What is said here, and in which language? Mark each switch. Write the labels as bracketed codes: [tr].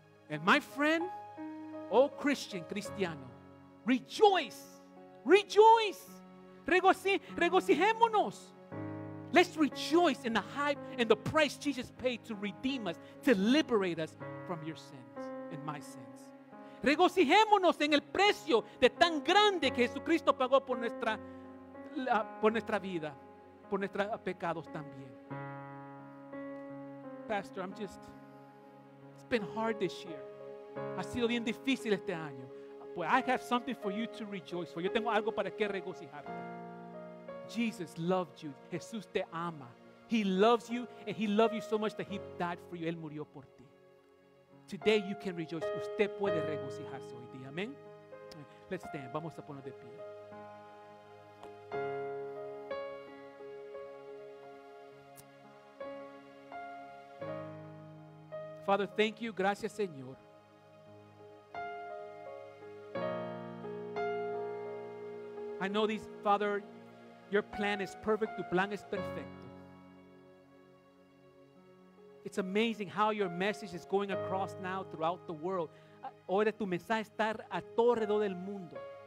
[en] And my friend, oh Christian, cristiano, rejoice, rejoice, regocijémonos. Let's rejoice in the hype and the price Jesus paid to redeem us, to liberate us from your sins and my sins. [es] Regocijémonos en el precio de tan grande que Jesucristo pagó por nuestra vida, por nuestros pecados también. [en] Pastor, it's been hard this year. [es] Ha sido bien difícil este año. [en] But I have something for you to rejoice for. [es] Yo tengo algo para que regocijarte. [en] Jesus loved you. [es] Jesús te ama. [en] He loves you, and he loved you so much that he died for you. [es] Él murió por ti. [en] Today you can rejoice. [es] Usted puede regocijarse hoy día. [en] Amén. Let's stand. [es] Vamos a poner de pie. [en] Father, thank you. [es] Gracias, Señor. [en] I know this, Father, your plan is perfect. [es] Tu plan es perfecto. [en] It's amazing how your message is going across now throughout the world. [es] Ahora tu mensaje está a todo alrededor del mundo.